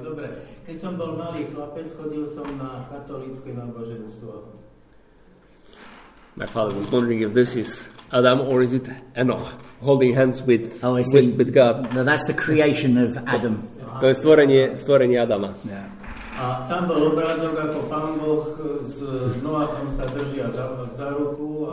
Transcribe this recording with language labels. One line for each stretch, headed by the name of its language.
Slovak: Dobre, keď som bol malý chlapec, chodil som na katolícke náboženstvo.
English: My father was wondering if this is Adam, or is it Enoch holding hands with with God? No, that's the creation of Adam.
Slovak: To je stvorenie Adama. A tam bol obrázok, ako Pán Boh s Noachom sa držia za ruku.